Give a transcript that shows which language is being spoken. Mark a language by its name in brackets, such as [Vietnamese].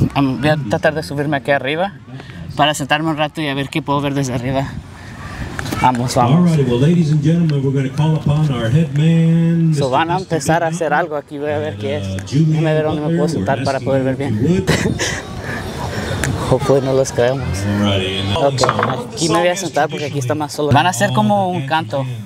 [Spanish] Voy a tratar de subirme aquí arriba para sentarme un rato y a ver qué puedo ver desde arriba. Vamos, vamos. [English] All right, well, ladies and gentlemen, we're going to call upon our head man. [Spanish] So van a empezar a hacer algo aquí, voy a ver qué es. Déjame ver dónde me puedo sentar para poder ver bien. Hopefully no los caemos. Ok, aquí me voy a sentar porque aquí está más solo. Van a hacer como un canto.